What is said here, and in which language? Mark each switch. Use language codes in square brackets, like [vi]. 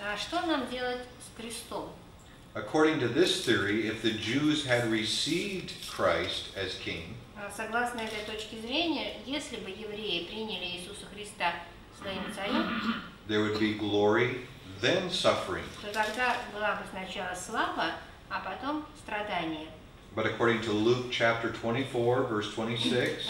[ru] Что нам делать с крестом? [en] According to this theory, if the Jews had received Christ as king, [ru] согласно этой точке зрения, если бы евреи приняли Иисуса Христа своим царем, [en] there would be glory, then suffering. [ru] То тогда была бы сначала слава, а потом страдание. [en] But according to Luke chapter 24, verse 26,